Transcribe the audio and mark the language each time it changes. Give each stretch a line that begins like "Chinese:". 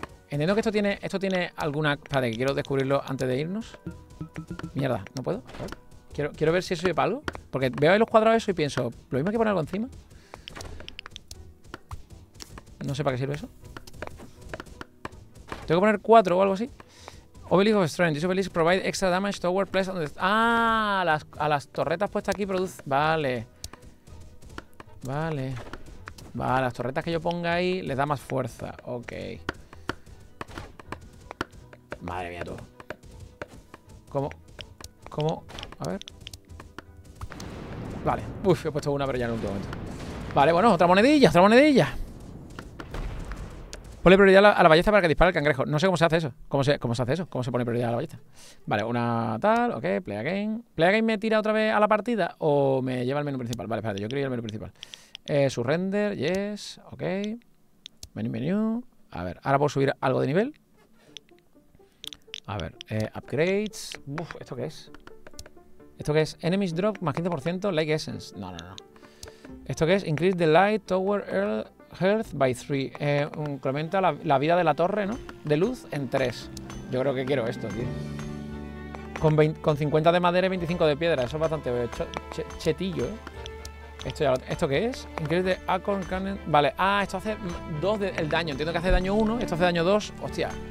Spanish: Entiendo que esto tiene alguna... Espérate, que quiero descubrirlo antes de irnos. Mierda, no puedo. A ver. Quiero ver si eso sirve para algo. Porque veo ahí los cuadrados eso y pienso, lo mismo que poner algo encima. No sé para qué sirve eso. Tengo que poner 4 o algo así.
English: Obelisk of Strength. This obelisk provide extra damage tower placed on the... ¡Ah!
Spanish: A las torretas puestas aquí produce. Vale, las torretas que yo ponga ahí les da más fuerza. Ok. Madre mía, tú. ¿Cómo? A ver. Vale, uf, he puesto una, pero ya en el último momento. Vale, bueno, otra monedilla. Ponle prioridad a la ballesta para que dispare el cangrejo. No sé cómo se hace eso. ¿Cómo se hace eso? ¿Cómo se pone prioridad a la ballesta? Vale, una tal, ok, play again. ¿Play again me tira otra vez a la partida o me lleva al menú principal? Vale, espérate, yo quería ir al menú principal. Surrender, yes, ok. Menú. A ver, ahora puedo subir algo de nivel. A ver, upgrades. Uf, ¿esto qué es? ¿Esto qué es?
English: Enemies drop más 15% Light Essence. No. ¿Esto qué es? Increase the light tower health by 3.
Spanish: Incrementa la vida de la torre, ¿no? De luz en 3. Yo creo que quiero esto, tío. Con 50 de madera y 25 de piedra. Eso es bastante chetillo, ¿eh? ¿Esto qué es? Increase the acorn cannon. Vale. Ah, esto hace 2 del daño. Entiendo que hace daño 1. Esto hace daño 2. Hostia.